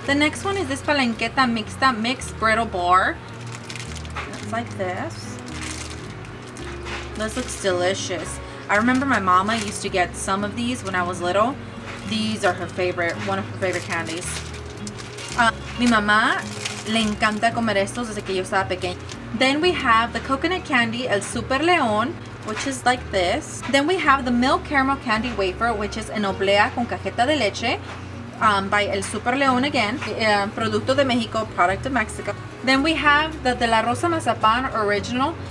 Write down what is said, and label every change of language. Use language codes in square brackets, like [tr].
[en] The next one is this Palenqueta Mixta Mixed Brittle Bar. It's like this. This looks delicious. I remember my mama used to get some of these when I was little. These are her favorite, one of her favorite candies. [es] Mi mamá le encanta comer estos desde que yo estaba pequeña. [en] Then we have the coconut candy, El Super León, which is like this. Then we have the milk caramel candy wafer, which is an [es] oblea con cajeta de leche, [en] by El Super León again. [es] Producto de Mexico, [en] product of Mexico. Then we have the De La Rosa Mazapan original.